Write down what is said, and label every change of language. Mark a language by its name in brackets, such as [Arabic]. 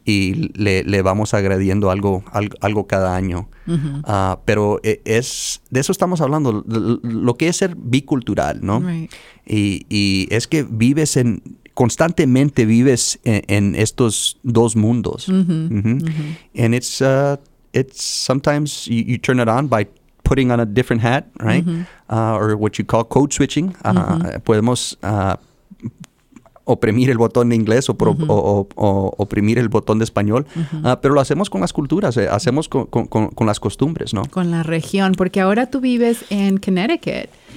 [Spanish] Y le vamos agrediendo algo cada año. Mm-hmm. Pero es de eso estamos hablando, lo que es ser bicultural, ¿no? Right. Y es que constantemente vives en estos dos mundos. Mm-hmm. Mm-hmm. Mm-hmm. [English] And it's sometimes you turn it on by putting on a different hat, right? Mm-hmm. Or what you call code switching. Mm-hmm. [Spanish] Podemos oprimir el botón de inglés o oprimir el botón de español. Uh-huh. Pero lo hacemos con las culturas, hacemos con las costumbres, ¿no? Con la región, porque ahora tú vives en Connecticut.